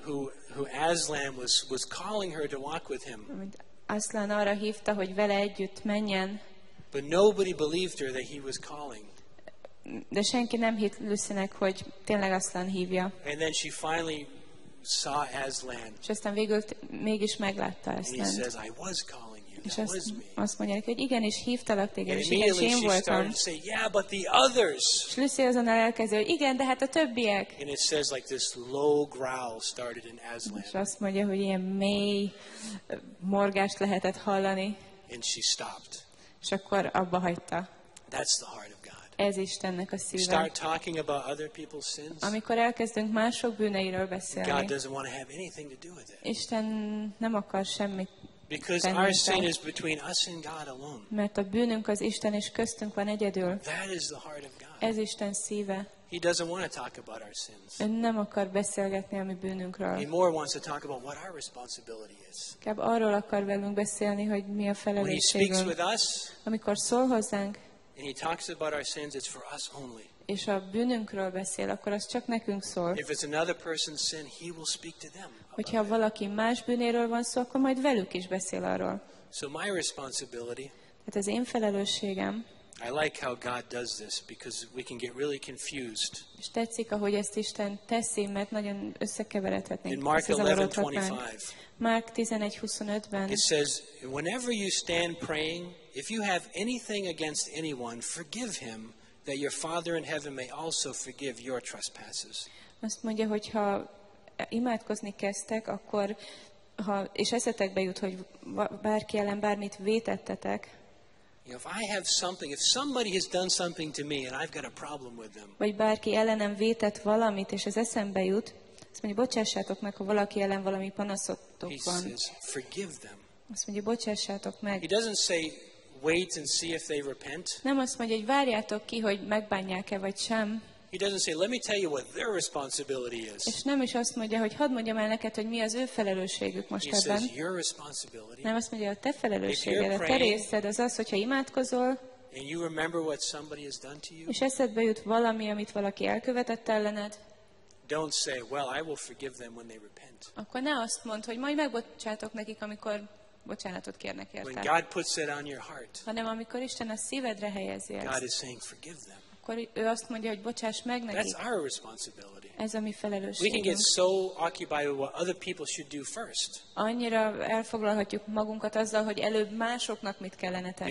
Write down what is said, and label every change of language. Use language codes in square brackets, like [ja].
[en] Who Aslan was calling her to walk with him. [hu] Aslan arra hívta, hogy vele együtt menjen. [en] But nobody believed her that he was calling. [hu] De senki nem hitt Lucynek, hogy tényleg Aslan hívja. [en] And then she finally saw Aslan. [hu] És aztán végül mégis meglátta Aslant. [en] And he says, I was calling you. [hu] És [en] that was me. [hu] Azt mondja neki, hogy igenis hívtalak téged, és igen, én voltam. [en] Yeah, but the others. [hu] És Lucy azonnal elkezdő, hogy igen, de hát a többiek. [en] And it says like this low growl started in Aslan. [hu] És azt mondja, hogy ilyen mély morgást lehetett hallani. [en] And she stopped. [hu] És akkor abba hagyta. [en] That's the heart of God. [hu] Ez Istennek a szíve. [en] Start talking about other people's sins. [hu] Amikor elkezdünk mások bűneiről beszélni. [en] God doesn't want to have anything to do with it. [hu] Isten nem akar semmit. [en] Because our sin is between us and God alone. [hu] Mert a bűnünk az Isten és köztünk van egyedül. [en] That is the heart of God. [hu] Ez Isten szíve. [en] He doesn't want to talk about our sins. [hu] Ön nem akar beszélgetni a mi bűnünkről. [en] He more wants to talk about what our responsibility is. [hu] Inkább arról akar velünk beszélni, hogy mi a felelősségünk. [en] When he speaks with us, [hu] amikor szól hozzánk, [en] and he talks about our sins, it's for us only. [hu] És a bűnünkről beszél, akkor az csak nekünk szól. [en] If it's another person's sin, he will speak to them. [hu] Hogyha valaki más bűnéről van szó, akkor majd velük is beszél arról. [en] So my responsibility. [hu] Tehát az én felelősségem. [en] I like how God does this because we can get really confused. [hu] És tetszik, ahogy ezt Isten teszi, mert nagyon összekeveredhetnénk. [en] In Mark 11:25. [hu] Márk 11:25-ben. [en] It says, whenever you stand praying, if you have anything against anyone, forgive him, that your Father in heaven may also forgive your trespasses. [hu] Azt mondja, hogyha imádkozni kezdtek, akkor ha és eszetekbe jut, hogy bárki ellen bármit vétettetek. [en] You know, if I have something, if somebody has done something to me and I've got a problem with them. [hu] Vagy bárki ellenem vétett valamit és ez eszembe jut, azt mondja, bocsássátok meg, ha valaki ellen valami panaszotok van. [en] He says, forgive them. [hu] Azt mondja, bocsássátok meg. [en] He doesn't say wait and see if they repent. [hu] Nem azt mondja, hogy várjátok ki, hogy megbánják-e vagy sem. [en] He doesn't say, let me tell you what their responsibility is. [hu] És nem is azt mondja, hogy hadd mondjam el neked, hogy mi az ő felelősségük most [en] he [hu] ebben. [en] Says, your responsibility. [hu] Nem azt mondja, a te felelősséged, a te részed az az, hogyha imádkozol, [en] and you remember what somebody has done to you, [hu] és eszedbe jut valami, amit valaki elkövetett ellened, [en] don't say, well, I will forgive them when they repent. [hu] Akkor ne azt mondd, hogy majd megbocsátok nekik, amikor bocsánatot kérnek érte. [en] When God puts it on your heart, [hu] hanem amikor Isten a szívedre helyezi ezt, [en] God is saying, forgive them. [hu] Akkor ő azt mondja, hogy bocsáss meg nekik. [en] That's our responsibility. [hu] Ez a mi felelősségünk. [en] We can get so occupied with what other people should do first. [hu] Annyira elfoglalhatjuk magunkat azzal, hogy előbb másoknak mit kellene tenni.